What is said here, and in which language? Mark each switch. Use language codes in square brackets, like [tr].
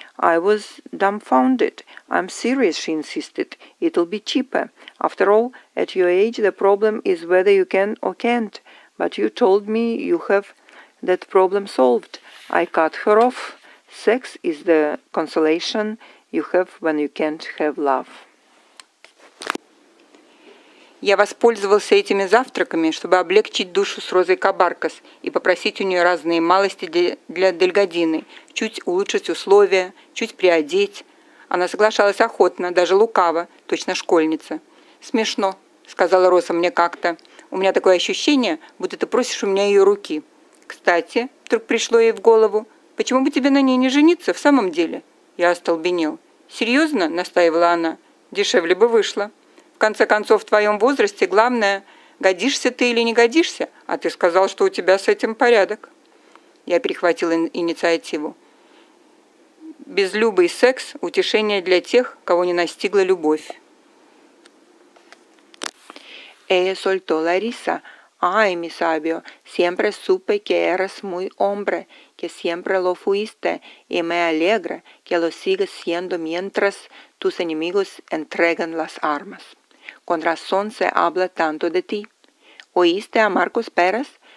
[en] I was dumbfounded. I'm serious, she insisted. It'll be cheaper. After all, at your age, the problem is whether you can or can't. But you told me you have that problem solved. I cut her off. Sex is the consolation you have when you can't have love. [ru] Я воспользовался этими завтраками, чтобы облегчить душу с Розой Кабаркас и попросить у нее разные малости для Дельгадины, чуть улучшить условия, чуть приодеть. Она соглашалась охотно, даже лукаво, точно школьница. «Смешно», — сказала Роза мне как-то. «У меня такое ощущение, будто ты просишь у меня ее руки». «Кстати», — вдруг пришло ей в голову, «почему бы тебе на ней не жениться в самом деле?» Я остолбенел. «Серьезно?» — настаивала она. «Дешевле бы вышло». В конце концов, в твоем возрасте главное, годишься ты или не годишься, а ты сказал, что у тебя с этим порядок. Я перехватил инициативу. Безлюбый секс – утешение для тех, кого не настигла любовь. [es] Ella soltó la risa. Ay, mi sabio, siempre supe que eras muy hombre, que siempre lo fuiste, y me alegra que lo sigas siendo mientras tus enemigos entregan las armas. Con razón se habla tanto de ti. ¿Oíste a Marcos Pérez?